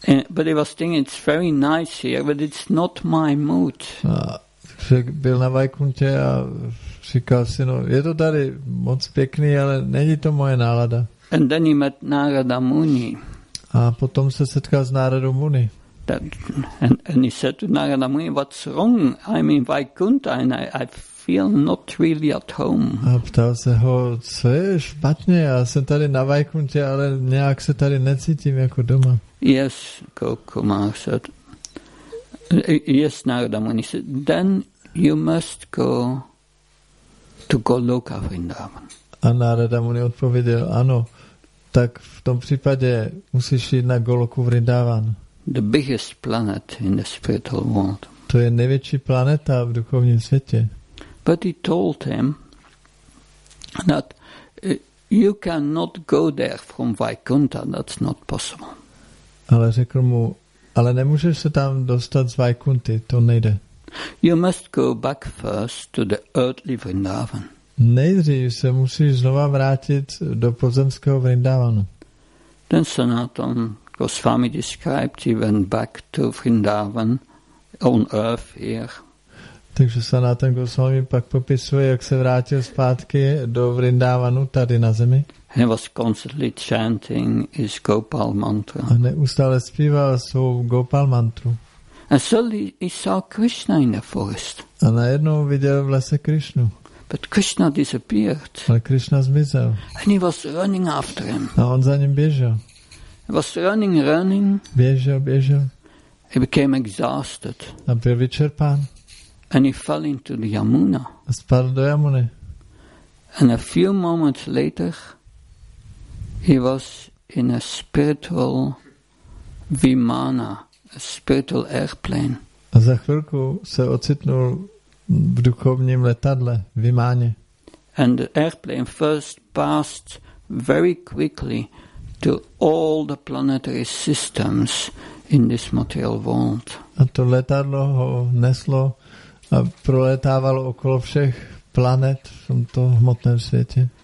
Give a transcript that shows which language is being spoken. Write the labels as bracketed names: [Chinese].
[English] But he was thinking it's very nice here, but it's not my mood. [Czech] Byl na Vaikuntě a říkal si, no, je to tady moc pěkný, ale není to moje nálada. [English] And then he met Narada Muni. [Czech] A potom se setkal s Narada Muni. [English] And he said to Narada Muni, what's wrong? I'm in Vaikuntha and I feel not really at home. [Czech] A ptal se ho, co je špatně, já jsem tady na Vaikuntě, ale nějak se tady necítím jako doma. [English] Yes, Gop Kumar said. Yes, Narada Muni said, then you must go to Goloka Vrindavan. [Czech] A Narada Muni odpověděl, ano, tak v tom případě musíš jít na Goloku Vrindavan. [English] The biggest planet in the spiritual world. [Czech] To je největší planeta v duchovním světě. [English] But he told him that you cannot go there from Vaikuntha, that's not possible. [Czech] Ale řekl mu, ale nemůžeš se tam dostat z Vaikunty, to nejde. [English] You must go back first to the earthly Vrindavan. [Czech] Nejdřív se musíš znova vrátit do pozemského Vrindavanu. [English] Then Sanatan Goswami described he went back to Vrindavan on earth here. [Czech] Takže Sanatan Goswami pak popisuje, jak se vrátil zpátky do Vrindavanu tady na zemi. [English] He was constantly chanting his Gopal mantra. [Czech] A neustále zpíval svou Gopal mantru. [English] And suddenly he saw Krishna in the forest. [Czech] A najednou viděl v lese Krishnu. [English] But Krishna disappeared. [Czech] Ale Krishna zmizel. [English] And he was running after him. [Czech] A on za ním běžel. [English] He was running. [Czech] Běžel. [English] He became exhausted. [Czech] A byl vyčerpán. [English] And he fell into the Yamuna. [Czech] A spadl do Yamuny. [English] And a few moments later, he was in a spiritual vimana, a spiritual airplane. [Czech] A za chvilku se ocitnul v duchovním letadle, vimáně. [English] And the airplane first passed very quickly to all the planetary systems in this material world. [Czech] A to letadlo ho neslo a proletávalo okolo všech planet v tomto hmotném světě.